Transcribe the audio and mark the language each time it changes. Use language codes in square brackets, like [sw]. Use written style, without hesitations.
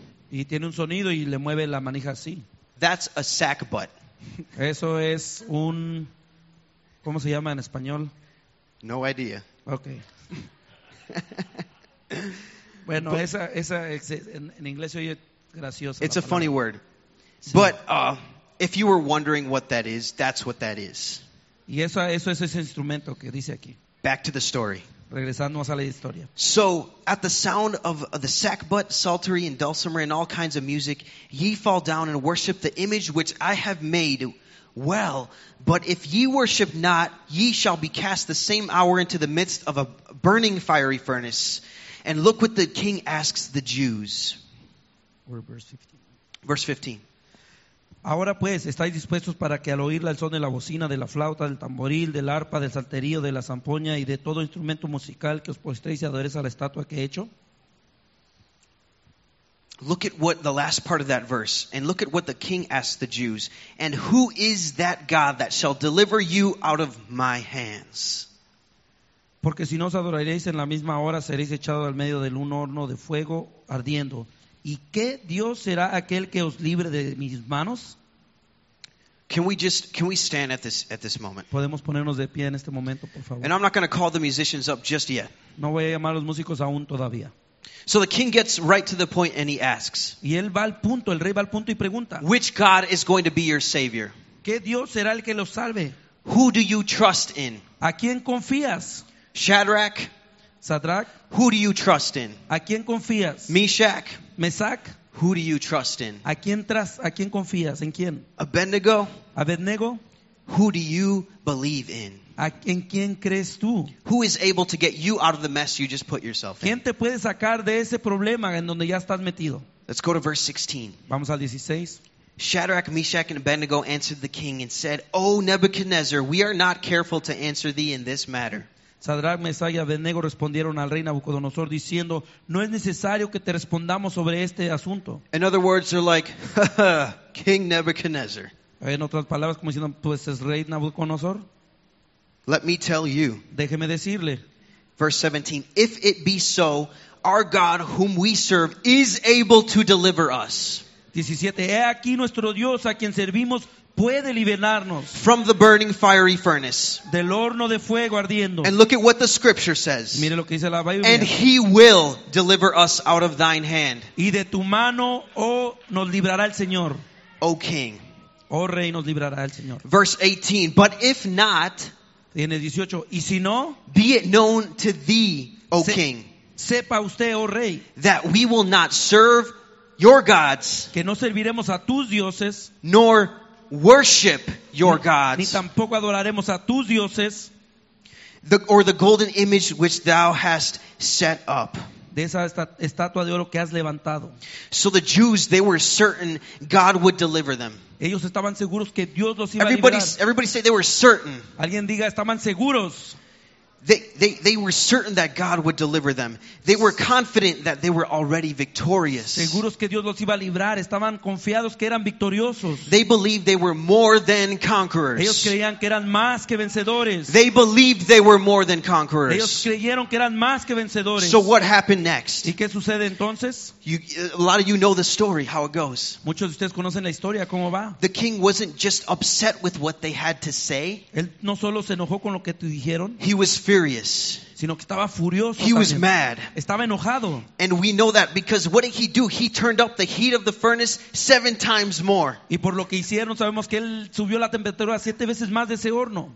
[es] Y tiene un sonido y le mueve la manija así. [en] That's a sack butt. [es] Eso es un... ¿Cómo se llama en español? [en] No idea. Okay. [es] Bueno, but, esa en inglés oye graciosa. [en] It's a funny word. Sí. But if you were wondering what that is, that's what that is. [es] Y eso es ese instrumento que dice aquí. [en] Back to the story. [es] Regresamos a la historia. [en] So, at the sound of the sackbut, psaltery, and dulcimer, and all kinds of music, ye fall down and worship the image which I have made. Well, but if ye worship not, ye shall be cast the same hour into the midst of a burning fiery furnace. And look what the king asks the Jews. Verse 15. [es] Ahora pues, estáis dispuestos para que al oírla el son de la bocina, de la flauta, del tamboril, del arpa, del salterio, de la zampoña y de todo instrumento musical que os postréis y adoréis a la estatua que he hecho? [en] Look at what the last part of that verse, and look at what the king asks the Jews. And who is that God that shall deliver you out of my hands? [es] Porque si no os adoraréis en la misma hora, seréis echados al medio de un horno de fuego ardiendo. ¿Y qué Dios será aquel que os libre de mis manos? [en] Can we stand at this moment? [es] Podemos ponernos de pie en este momento, por favor. [en] And I'm not going to call the musicians up just yet. [es] No voy a llamar a los músicos aún todavía. [en] So the king gets right to the point and he asks. [es] Y él va al punto, el rey va al punto y pregunta. [en] Which God is going to be your savior? [es] ¿Qué Dios será el que los salve? [en] Who do you trust in? [es] ¿A quién confías? [en] Shadrach. [es] Shadrach. [en] Who do you trust in? [es] ¿A quién confías? [en] Meshach. [es] Meshach. [en] Who do you trust in? [es] ¿A quién confías? ¿En quién? [en] Abednego. [es] Abednego. [en] Who do you believe in? [es] ¿En quién crees tú? [en] Who is able to get you out of the mess you just put yourself in? [es] ¿Quién te puede sacar de ese problema en donde ya estás metido? [en] Let's go to verse 16. [es] Vamos al 16. [en] Shadrach, Meshach, and Abednego answered the king and said, O Nebuchadnezzar, we are not careful to answer thee in this matter. [es] Shadrach, Meshach y Abednego respondieron al rey Nabucodonosor diciendo, no es necesario que te respondamos sobre este asunto. [en] In other words, they're like, King Nebuchadnezzar. [es] En otras palabras, como diciendo, pues es rey Nabucodonosor. [en] Let me tell you. [es] Déjeme decirle. [en] Verse 17, if it be so, our God whom we serve is able to deliver us. [es] 17, he aquí nuestro Dios a quien servimos puede liberarnos [en] from the burning fiery furnace. [es] Del horno de fuego ardiendo. [en] And look at what the scripture says. [es] Mire lo que dice la Biblia. [en] And he will deliver us out of thine hand. [es] Y de tu mano, oh, nos librará el Señor. [en] O king. [es] Oh, rey, nos librará el Señor. [en] Verse 18. But if not, [es] en el 18, y si no, [en] be it known to thee, O king, [es] sepa usted, oh rey, [en] that we will not serve your gods, [es] que no serviremos a tus dioses, [en] nor worship your gods, [es] ni tampoco adoraremos a tus dioses, [en] or the golden image which thou hast set up. [es] De esa estatua de oro que has levantado. [en] So the Jews, they were certain God would deliver them. [es] Ellos estaban seguros que Dios los iba a liberar. [en] Everybody say they were certain. [es] Alguien diga, estaban seguros. [en] They were certain that God would deliver them. They were confident that they were already victorious. [es] Seguros que Dios los iba a librar. Estaban confiados que eran victoriosos. [en] They believed they were more than conquerors. [es] Ellos creían que eran más que vencedores. [en] They believed they were more than conquerors. [es] Ellos creyeron que eran más que vencedores. [en] So what happened next? [es] ¿Y qué sucede entonces? [en] A lot of you know the story, how it goes. [es] Muchos de ustedes conocen la historia, cómo va. [en] The king wasn't just upset with what they had to say. [es] Él no solo se enojó con lo que te dijeron. [en] He was furious. [es] Sino que estaba furioso. [en] He was mad. [es] Estaba enojado. [en] And we know that because what did he do? He turned up the heat of the furnace 7 times more. [es] Y por lo que hicieron sabemos que él subió la temperatura 7 veces más de ese horno.